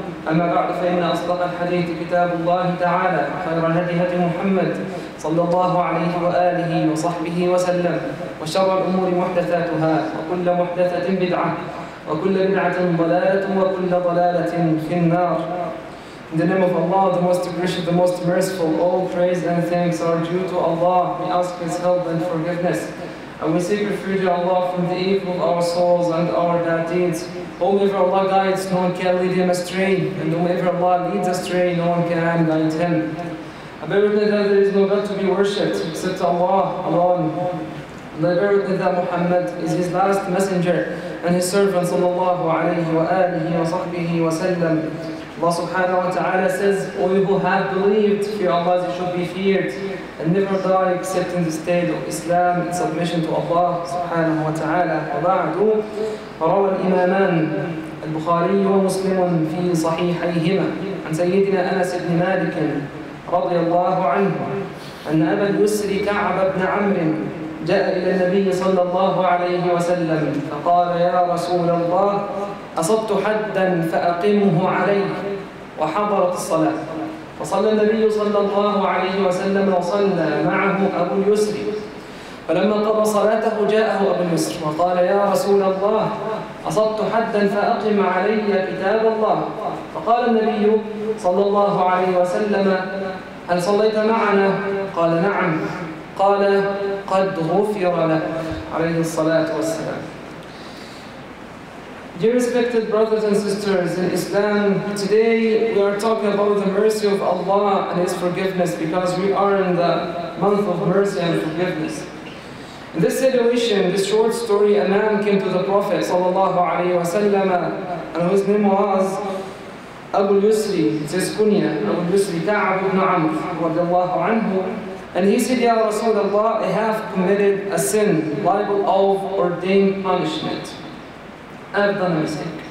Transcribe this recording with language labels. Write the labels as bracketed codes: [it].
[ar] أما بعد، فإن أصدق الحديث كتاب الله تعالى، خير الهدي هدي محمد صلى الله عليه وآله وصحبه وسلم، وشر الأمور محدثاتها، وكل محدثة بدعة، وكل بدعة ضلالة، وكل ضلالة في النار. [en] In the name of Allah, the most gracious, the most merciful, all praise and thanks are due to Allah. We ask His help and forgiveness. And we seek refuge to Allah from the evil of our souls and our bad deeds. Whoever Allah guides, no one can lead him astray. And whoever Allah leads astray, no one can guide him. I bear witness that there is no God to be worshipped except Allah alone. And I bear witness that Muhammad is His last messenger and His servant, [ar] sallallahu alayhi wa alihi wa sahbihi wa sallam. [en] Allah subhanahu wa ta'ala says, O you who have believed, fear Allah as you should be feared, and never die except in the state of Islam in submission to Allah subhanahu wa ta'ala. [ar] وَبَعْدُ رَوَى الْإِمَامَانِ الْبُخَارِيُّ وَمُسْلِمٌ فِي صَحِيحَيْهِمَا عن سيدنا أنس بن مالك رضي الله عنه أن أبا اليسر كعب بن عمرو جاء إلى النبي صلى الله عليه وسلم فقال يا رسول الله أصبت حداً فأقمه علي، وحضرت الصلاة، فصلى النبي صلى الله عليه وسلم وصلى معه أبو اليسر. فلما قضى صلاته جاءه أبو اليسر وقال يا رسول الله أصبت حداً فأقم علي كتاب الله. فقال النبي صلى الله عليه وسلم هل صليت معنا؟ قال نعم. قال قد غفر لك، عليه الصلاة والسلام. [en] Dear respected brothers and sisters in Islam, today we are talking about the mercy of Allah and His forgiveness, because we are in the month of mercy and forgiveness. In this situation, this short story, a man came to the Prophet sallallahu alayhi wa sallam, and his name was Abu al-Yusri, it's his kunya, Abu al-Yusri Ka'ab ibn Amr radiallahu anhu, and he said, [ar] Ya Rasulullah, [en] I have committed a sin liable of ordained punishment. I have done a mistake.